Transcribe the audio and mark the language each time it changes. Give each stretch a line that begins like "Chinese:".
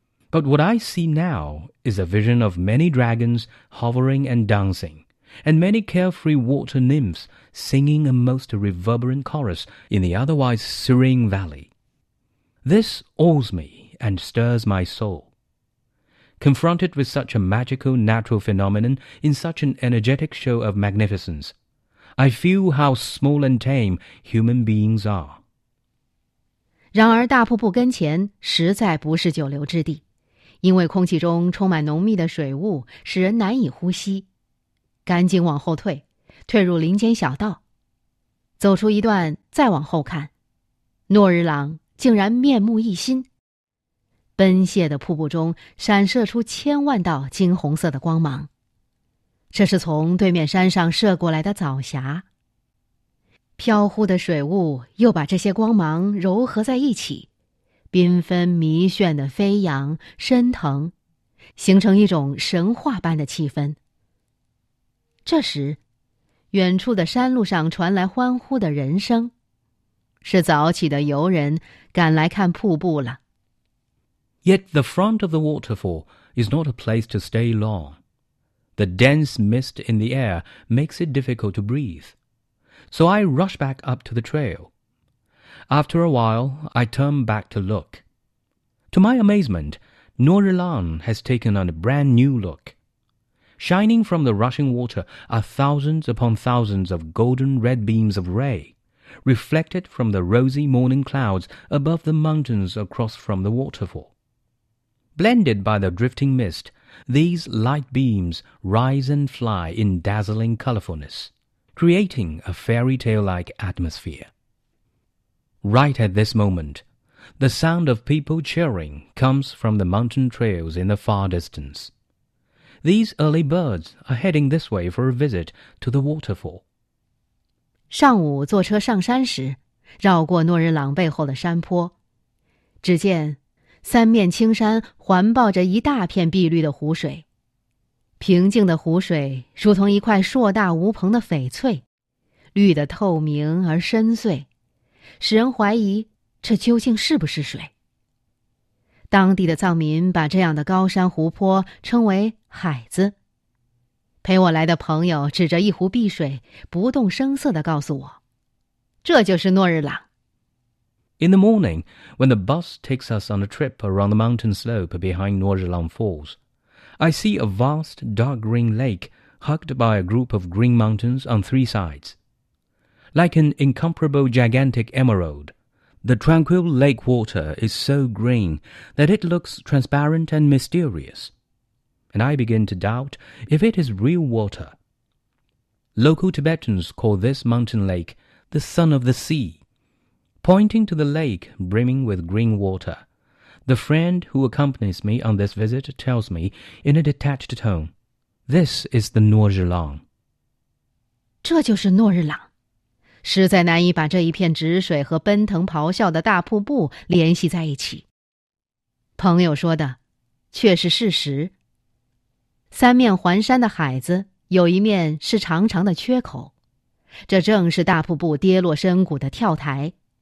English: But what I see now is a vision of many dragons hovering and dancing, and many carefree water nymphs singing a most reverberant chorus in the otherwise serene valley. This awes me and stirs my soul. Confronted with such a magical natural phenomenon in such an energetic show of magnificence, I feel how small and tame human beings are.
Chinese: 然而大瀑布跟前实在不是久留之地，因为空气中充满浓密的水雾，使人难以呼吸。赶紧往后退，退入林间小道，走出一段，再往后看，诺日朗竟然面目一新。奔泻的瀑布中闪射出千万道金红色的光芒，这是从对面山上射过来的早霞。飘忽的水雾又把这些光芒柔合在一起，缤纷迷眩的飞扬升腾，形成一种神话般的气氛。这时，远处的山路上传来欢呼的人声，是早起的游人赶来看瀑布了。
English: Yet the front of the waterfall is not a place to stay long. The dense mist in the air makes it difficult to breathe. So I rush back up to the trail. After a while, I turn back to look. To my amazement, Nuorilang has taken on a brand new look. Shining from the rushing water are thousands upon thousands of golden red beams of ray, reflected from the rosy morning clouds above the mountains across from the waterfall. Blended by the drifting mist, these light beams rise and fly in dazzling colorfulness, creating a fairy tale-like atmosphere. Right at this moment, the sound of people cheering comes from the mountain trails in the far distance. These early birds are heading this way for a visit to the waterfall.
Chinese: 上午坐车上山时，绕过诺日朗背后的山坡，只见三面青山环抱着一大片碧绿的湖水，平静的湖水如同一块硕大无朋的翡翠，绿得透明而深邃，使人怀疑这究竟是不是水。当地的藏民把这样的高山湖泊称为海子。陪我来的朋友指着一壶碧水，不动声色地告诉我，这就是诺日朗。
English: In the morning, when the bus takes us on a trip around the mountain slope behind Nuorilang Falls, I see a vast dark green lake hugged by a group of green mountains on three sides. Like an incomparable gigantic emerald, the tranquil lake water is so green that it looks transparent and mysterious, and I begin to doubt if it is real water. Local Tibetans call this mountain lake the Son of the Sea. Pointing to the lake brimming with green water, the friend who accompanies me on this visit tells me in a detached tone, This is the Nuorilang.
Chinese: 这就是诺日朗，实在难以把这一片止水和奔腾咆哮的大瀑布联系在一起。朋友说的却是事实。三面环山的海子有一面是长长的缺口，这正是大瀑布跌落深谷的跳台。